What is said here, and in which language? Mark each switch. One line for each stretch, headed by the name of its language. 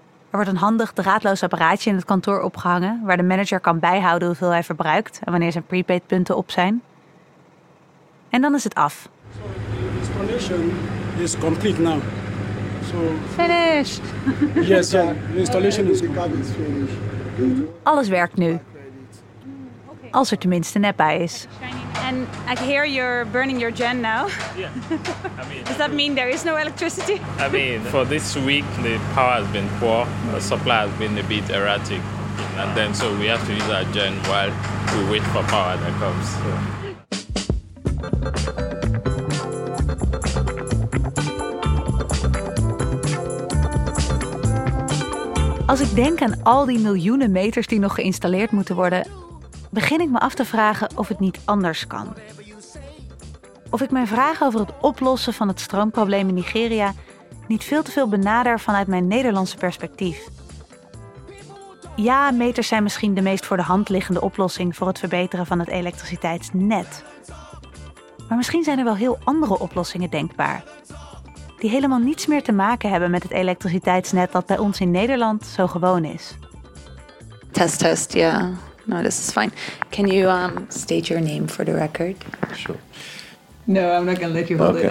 Dutch: Er wordt een handig draadloos apparaatje in het kantoor opgehangen, waar de manager kan bijhouden hoeveel hij verbruikt en wanneer zijn prepaid punten op zijn. En dan is het af.
English: De installation is complete now. So, finished! Yes, yeah. The installation is complete.
Dutch: Alles werkt nu. Als er tenminste nep bij is.
English: And I hear you're burning your gen now. Yeah. Does that mean there is no electricity? I mean, for this week the power has been poor, the supply has been a bit erratic. And then so we have to use our gen while we wait for power that comes. So.
Dutch: Als ik denk aan al die miljoenen meters die nog geïnstalleerd moeten worden, begin ik me af te vragen of het niet anders kan. Of ik mijn vragen over het oplossen van het stroomprobleem in Nigeria niet veel te veel benader vanuit mijn Nederlandse perspectief. Ja, meters zijn misschien de meest voor de hand liggende oplossing voor het verbeteren van het elektriciteitsnet. Maar misschien zijn er wel heel andere oplossingen denkbaar, die helemaal niets meer te maken hebben met het elektriciteitsnet dat bij ons in Nederland zo gewoon is.
English: Test, test, ja. Yeah. No, this is fine. Can you state your name for the record? Sure. No, I'm not going to let you hold it.